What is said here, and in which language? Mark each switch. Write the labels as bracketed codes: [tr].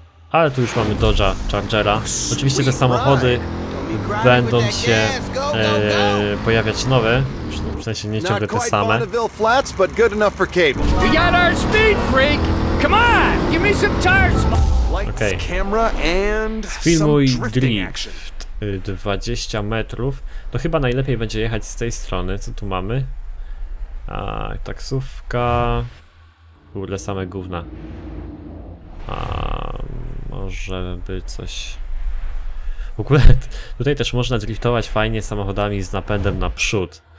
[pl] Ale tu już mamy Dodge'a Chargera. Oczywiście te samochody będą się pojawiać nowe. w sensie nie ciągle te same. [en] Bonneville Flats, but good enough for cable. We got our speed freak. Come on, give me some tires. Okay. Camera and some drifting action. [pl] 20 metrów. To chyba najlepiej będzie jechać z tej strony. Co tu mamy? A, taksówka. Kurde, same gówna. A, może by coś. W ogóle tutaj też można driftować fajnie samochodami z napędem naprzód.